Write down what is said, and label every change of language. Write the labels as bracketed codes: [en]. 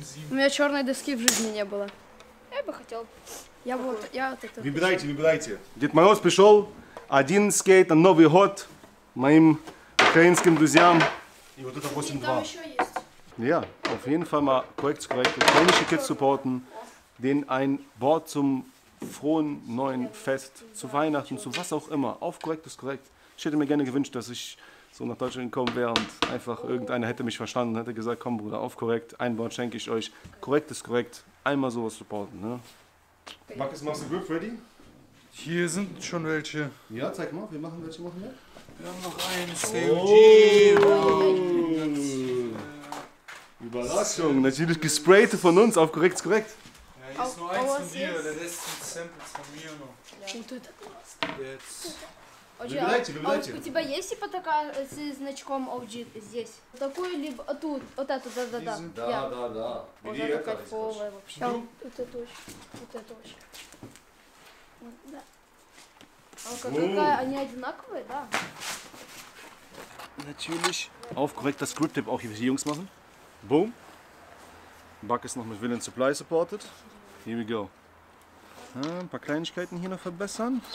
[ru] У меня черной доски в жизни не было. Я бы хотел. Я вот, я вот это. Выбирайте, выбирайте. Дед Мороз пришел. Один скейт на Новый год моим украинским друзьям. И вот это 8-2. Там еще есть. [de] Ja, auf jeden Fall mal korrekt, ukrainische Kids supporten, denen ein Board zum frohen neuen Fest, zu Weihnachten, zu was auch immer, auf korrekt. Ich hätte mir gerne gewünscht, dass ich so nach Deutschland gekommen wäre und einfach irgendeiner hätte mich verstanden, hätte gesagt, komm Bruder, auf korrekt, ein Board schenke ich euch, korrekt, einmal sowas supporten. Ne? Markus, machst du Glück, ready? Hier sind schon welche. Ja, zeig mal, wir machen welche, machen wir? Wir haben noch eins. Oh. Überraschung, natürlich gesprayte von uns auf korrekt. Ja, hier ist nur eins von dir, der Rest sind Samples von mir noch. [ru] Вот это классно. Jetzt. Выбирайте, выбирайте. У тебя есть типа такая с значком OG здесь? Такую либо тут, вот эту, да. Да. Вот это кайфовое вообще. Вот это очень. Вот, да. А какая, они одинаковые, да? [de] Natürlich. Auf korrekt das Grip-Tip auch hier, Jungs machen. Boom. Buck ist noch mit Villain Supply supported. [en] Here we go. [de] Ja, ein paar Kleinigkeiten hier noch verbessern.